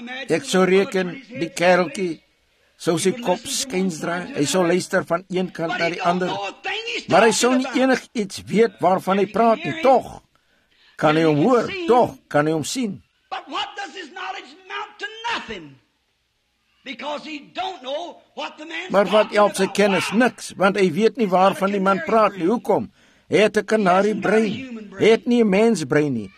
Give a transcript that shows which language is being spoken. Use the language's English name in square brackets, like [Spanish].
[Afrikaans] Ek sou reken die kereltjie, sou sy kop skynsdraai, hy sou luister van een kant na die ander, maar hy sou nie enig iets weet waarvan hy praat nie, toch kan hy hom hoor, toch kan hy hom sien. [English] But what does his knowledge amount to nothing? Because he don't know what the man's. [Afrikaans] Maar wat help sy kennis? Niks, want hy weet nie waarvan die man praat nie. Hoekom? Hy het 'n kanarie brein, hy het nie 'n mens brein nie.